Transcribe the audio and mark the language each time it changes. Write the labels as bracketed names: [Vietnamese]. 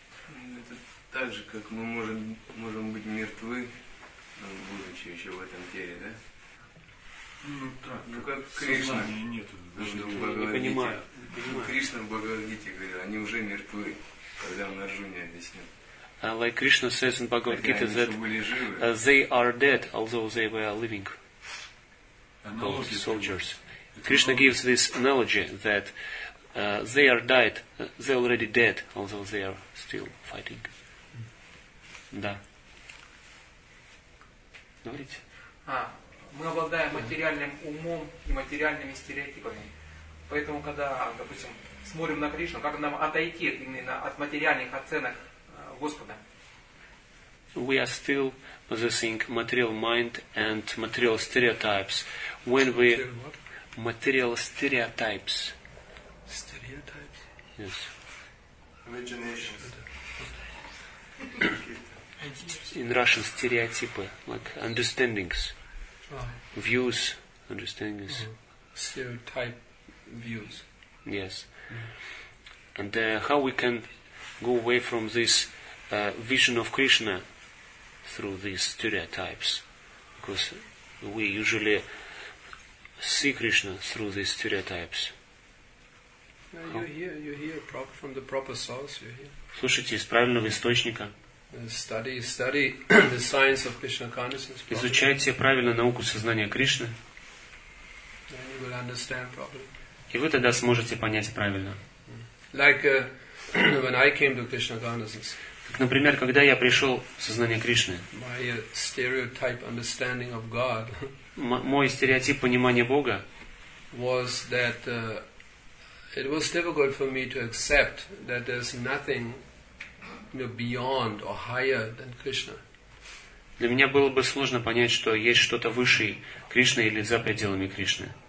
[Russian] Это так же, как мы можем быть мертвы, будучи еще в этом теле, да? Ну так. Ну как Кришна. Нету, не понимаю. Кришна в Бхагавад-гите говорит, они уже мертвы, когда он Арджуне объяснил. [English] Like Krishna says in Bhagavad Gita that they are dead, although they were living soldiers. Krishna gives this analogy that they are died, they are already dead, although they are still fighting. [Russian] Да. Говорите. Мы обладаем материальным умом и материальными стереотипами. Поэтому, когда, допустим, смотрим на Кришну, как нам отойти именно от материальных оценок Господа. [English] We are still possessing material mind and material stereotypes. When we material stereotypes. Stereotypes. Yes. Imaginations. In Russian, стереотипы, like understandings, views, understandings. Uh-huh. Stereotype views. Yes. Mm-hmm. And how we can go away from this? Vision of Krishna through these stereotypes, because we usually see Krishna through these stereotypes. You hear from the proper source. You hear. [Russian] Слушайте из правильного источника. [English] Study the science of Krishna consciousness. Properly. [Russian] Изучайте правильно науку сознания Кришны. [English] Then you will understand properly. [Russian] И вы тогда сможете понять правильно. [English] Like when I came to Krishna consciousness. [Russian] Например, когда я пришел в сознание Кришны, [English] my stereotype understanding of God, [Russian] мой стереотип понимания Бога [English] was that it was difficult for me to accept that there's nothing beyond or higher than Krishna. [Russian] Для меня было бы сложно понять, что есть что-то выше Кришны или за пределами Кришны.